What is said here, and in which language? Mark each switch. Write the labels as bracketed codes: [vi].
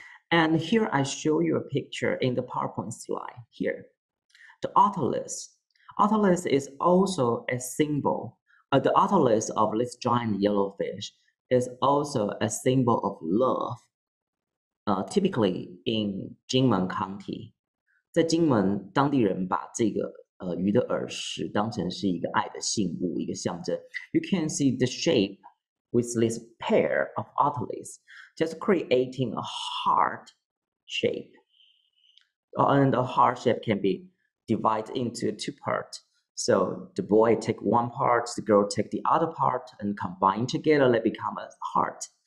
[en] And here I show you a picture in the PowerPoint slide here. The otoliths. Otoliths is also a symbol. The otoliths of this giant yellow fish is also a symbol of love. Typically in Jinmen County. [zh] 在金门当地人把这个鱼的耳石当成是一个爱的信物，一个象征. [en] You can see the shape with this pair of otoliths, just creating a heart shape. And the heart shape can be divided into two parts. So the boy take one part, the girl take the other part, and combine together, they become a heart.